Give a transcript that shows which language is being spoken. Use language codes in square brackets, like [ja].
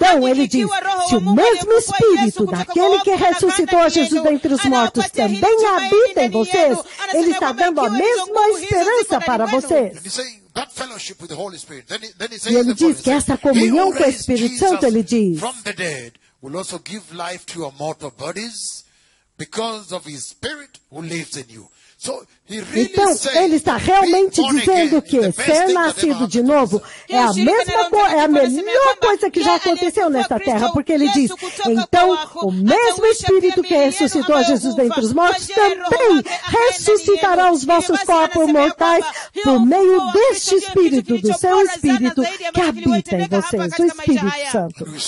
[pt] Então ele diz, se o mesmo Espírito daquele que ressuscitou a Jesus dentre os mortos também habita em vocês, ele está dando a mesma esperança para vocês. E ele diz que essa comunhão com o Espírito Santo, ele diz, [en] will also give life to your mortal bodies because of his spirit who lives in you. [pt] Então, ele está realmente dizendo que ser nascido de novo é a mesma coisa, é a melhor coisa que já aconteceu nesta terra, porque ele diz, então, o mesmo Espírito que ressuscitou a Jesus dentre os mortos também ressuscitará os vossos corpos mortais por meio deste Espírito, do seu Espírito que habita em vocês, o Espírito Santo.